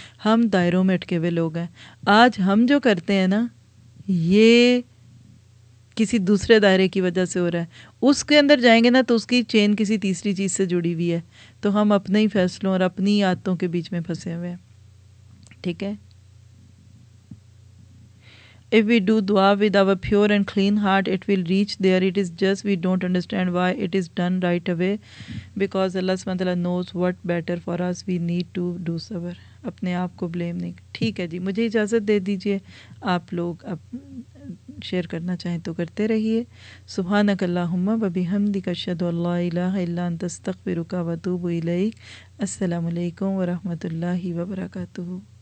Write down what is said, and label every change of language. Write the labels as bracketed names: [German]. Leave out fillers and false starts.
[Urdu] ہم دائروں میں اٹکے ہوئے لوگ ہیں. آج ہم جو کرتے ہیں نا, یہ کسی دوسرے دائرے کی وجہ سے ہو رہا ہے. اس کے اندر جائیں گے نا تو اس کی چین کسی تیسری چیز سے جڑی ہوئی ہے. تو ہم اپنے ہی فیصلوں اور اپنی عادتوں کے بیچ میں پھنسے ہوئے ہیں. [English] If we do dua with our pure and clean heart, it will reach there. It is just we don't understand why it is done right away. Because Allah subhanahu wa ta'ala knows what better for us. We need to do sabr. [Urdu] اپنے آپ کو blame نہیں. ٹھیک ہے جی, مجھے اجازت دے دیجئے. آپ لوگ اب شیئر کرنا چاہیں تو کرتے رہیے. [Arabic] سبحانک اللہم و بحمدک اشہد ان لا الہ الا انت استغفرک و اتوب الیک. السلام علیکم و رحمۃ اللہ وبرکاتہ.